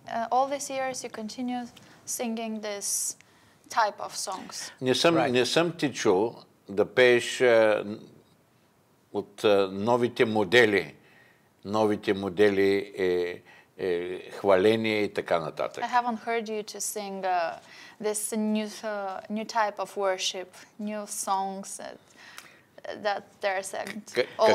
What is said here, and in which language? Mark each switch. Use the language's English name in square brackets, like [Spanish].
[English] All these years you continue singing this type of songs. [Bulgarian] Не съм ти чул да пееш от новите модели. Новите модели хваление и така нататък. [English] I haven't heard you to sing this new type of worship, new songs that they're saying all over the world.